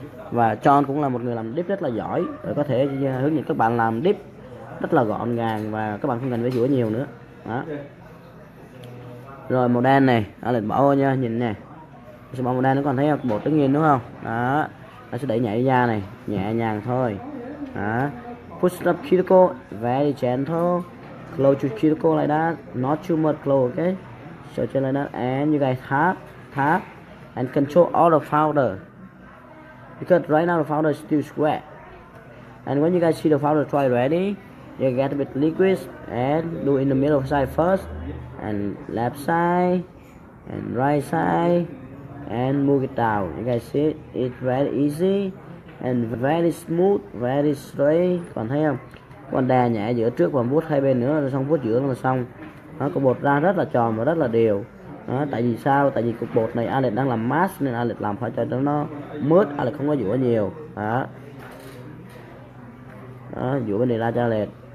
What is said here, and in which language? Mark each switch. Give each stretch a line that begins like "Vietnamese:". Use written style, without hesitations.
Vietnamese: Và John cũng là một người làm tiếp rất là giỏi, rồi có thể hướng dẫn các bạn làm tiếp rất là gọn gàng và các bạn không cần phải rửa nhiều nữa. Rồi màu đen này, Alex bỏ vô nha, nhìn nè. Sẽ bỏ màu đen nó còn thấy bột tất nhiên đúng không? Đó. Anh sẽ đẩy nhẹ da này, nhẹ nhàng thôi. Đó.
English: Push up cuticle, very gentle. Close your cuticle like that, not too much close, okay? So just like that, and you guys tap, and control all the powder. Because right now the powder is still square. And when you guys see the powder dry ready, you get a bit liquid, and do in the middle side first, and left side, and right side, and move it down. You guys see, it's very easy, and very smooth, very straight.
Vietnamese: Còn thấy không? Còn đè nhẹ giữa trước và vuốt hai bên nữa là xong, vuốt giữa là xong. Nó có bột ra rất là tròn và rất là đều. Đó, tại vì sao? Tại vì cục bột này Alex đang làm mask nên Alex làm phải cho nó mướt, Alex không có giũa nhiều. Đó. Đó, giũa bên này ra cho Alex.